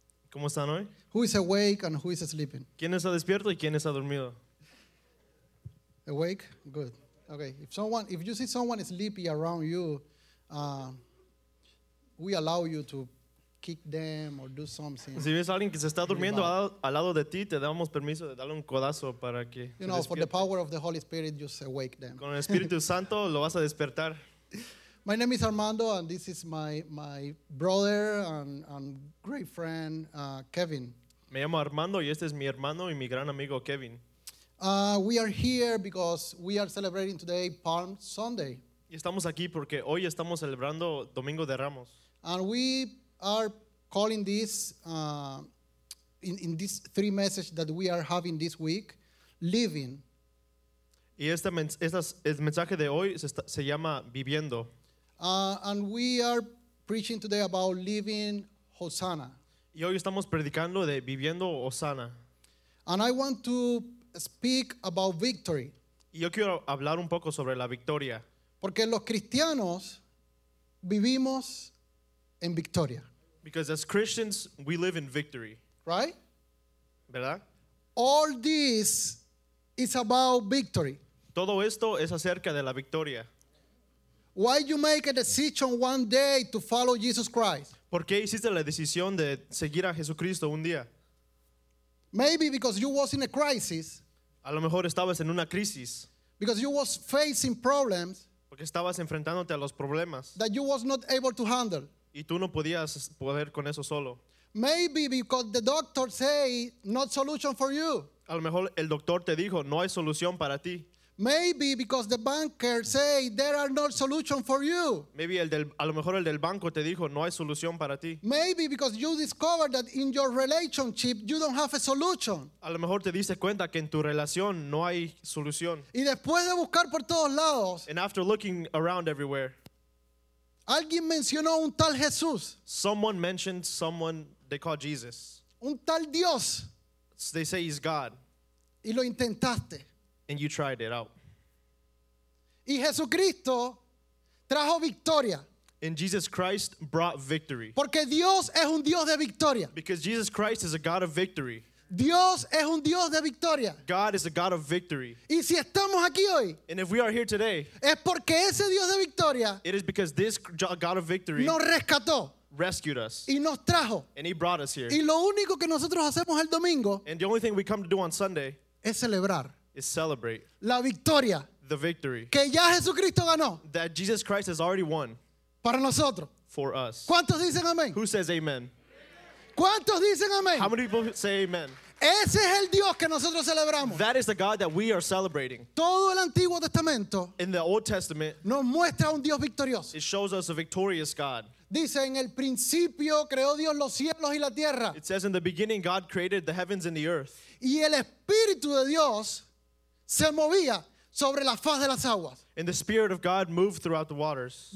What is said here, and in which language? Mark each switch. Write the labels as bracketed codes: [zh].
[es] ¿Cómo están hoy? [en] Who is awake and who is sleeping? [es] ¿Quién está despierto y quién está dormido? [en] Awake? Good. Okay. If you see someone sleepy around you, we allow you to kick them or do something. [es] Si ves a alguien que se está durmiendo al lado de ti, te damos permiso de darle un codazo para que. [en] You know, for the power of the Holy Spirit, just awake them. [es] Con el Espíritu Santo lo vas a despertar. [en] My name is Armando, and this is my brother and great friend, Kevin. [es] Me llamo Armando, y este es mi hermano y mi gran amigo Kevin. [en] We are here because we are celebrating today Palm Sunday. [es] Y estamos aquí porque hoy estamos celebrando Domingo de Ramos. [en] And we are calling this in this three messages that we are having this week, living. [es] Y este mensaje de hoy se llama Viviendo. [en] And we are preaching today about living Hosanna. [es] Y hoy estamos predicando de Viviendo Hosanna. [en] And I want to speak about victory. [es] Y yo quiero hablar un poco sobre la victoria. Porque los cristianos vivimos en victoria. [en] Because as Christians, we live in victory. Right? [es] ¿Verdad? [en] All this is about victory. [es] Todo esto es acerca de la victoria. [en] Why you make a decision one day to follow Jesus Christ? [es] ¿Por qué hiciste la decisión de seguir a Jesucristo un día? [en] Maybe because you was in a crisis. [es] A lo mejor estabas en una crisis. [en] Because you was facing problems. [es] Porque estabas enfrentándote a los problemas. [en] That you was not able to handle. [es] Y tú no podías poder con eso solo. [en] Maybe because the doctor say no solution for you. [es] A lo mejor el doctor te dijo no hay solución para ti. [en] Maybe because the banker say there are no solution for you. [es] Maybe a lo mejor el del banco te dijo no hay solución para ti. [en] Maybe because you discover that in your relationship you don't have a solution. [es] A lo mejor te diste cuenta que en tu relación no hay solución. Y después de buscar por todos lados. [en] And after looking around everywhere. [es] Alguien mencionó un tal Jesús. [en] Someone mentioned someone they call Jesus. [es] Un tal Dios. [en] So they say he's God. [es] Y lo intentaste. [en] And you tried it out. [es] Y Jesucristo trajo victoria. [en] And Jesus Christ brought victory. [es] Porque Dios es un Dios de victoria. [en] Because Jesus Christ is a God of victory. [es] Dios es un Dios de victoria. [en] God is a God of victory. [es] Y si estamos aquí hoy, [en] and if we are here today, [es] es porque ese Dios de victoria, [en] it is because this God of victory [es] nos rescató. [en] Rescued us. [es] Y nos trajo. [en] And he brought us here. [es] Y lo único que nosotros hacemos el domingo, [en] and the only thing we come to do on Sunday [es] es celebrar. [en] Is celebrate [es] la victoria, [en] the victory [es] que ya Jesucristo ganó, [en] that Jesus Christ has already won [es] para nosotros, [en] for us. [es] ¿Cuántos dicen amén? [en] Who says amen? [es] ¿Cuántos dicen amén? [en] How many people say amen? [es] Ese es el Dios que nosotros celebramos. [en] That is the God that we are celebrating. [es] Todo el Antiguo Testamento, [en] in the Old Testament, [es] nos muestra un Dios victorioso. [en] It shows us a victorious God. [es] Dice, en el principio creó Dios los cielos y la tierra. [en] It says in the beginning God created the heavens and the earth. [es] Y el Espíritu de Dios se movía sobre la faz de las aguas. [en] And the Spirit of God moved throughout the waters.